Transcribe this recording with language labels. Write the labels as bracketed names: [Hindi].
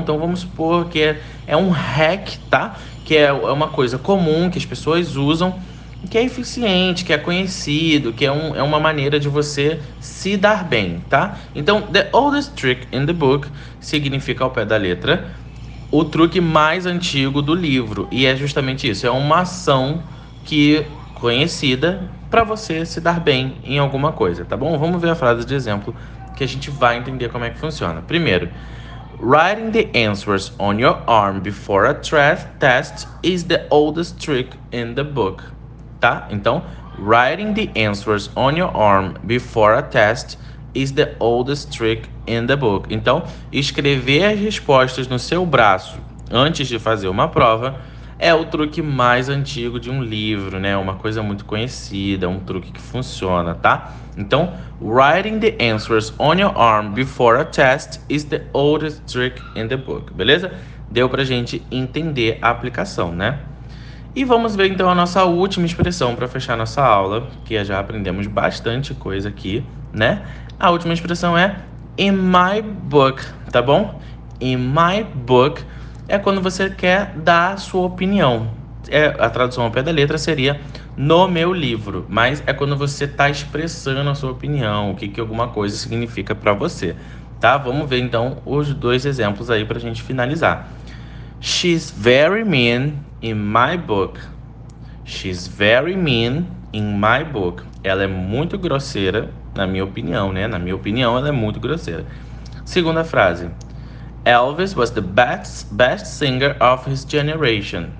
[Portuguese] Então vamos supor que é um hack, tá? Que é uma coisa comum que as pessoas usam, que é eficiente, que é conhecido, que é uma maneira de você se dar bem, tá? Então, [English] the oldest trick in the book [Portuguese] significa ao pé da letra o truque mais antigo do livro. E é justamente isso, é uma ação que conhecida para você se dar bem em alguma coisa, tá bom? Vamos ver a frase de exemplo que a gente vai entender como é que funciona. Primeiro, [English] writing the answers on your arm before a test is the oldest trick in the book. [Portuguese] Tá? Então, [English] writing the answers on your arm before a test is the oldest trick in the book. [Portuguese] Então, escrever as respostas no seu braço antes de fazer uma prova é o truque mais antigo de um livro, né? Uma coisa muito conhecida, um truque que funciona, tá? Então, [English] writing the answers on your arm before a test is the oldest trick in the book. [Portuguese] Beleza? Deu pra gente entender a aplicação, né? E vamos ver então a nossa última expressão para fechar nossa aula, que já aprendemos bastante coisa aqui, né? A última expressão é [English] in my book, [Portuguese] tá bom? [English] In my book [Portuguese] é quando você quer dar a sua opinião, A tradução ao pé da letra seria no meu livro, mas é quando você está expressando a sua opinião, o que que alguma coisa significa para você, tá? Vamos ver então os dois exemplos aí para a gente finalizar. [English] She's very mean in my book. She's very mean in my book. [Portuguese] Ela é muito grosseira, na minha opinião, né? Na minha opinião, ela é muito grosseira. Segunda frase. [English] Elvis was the best singer of his generation.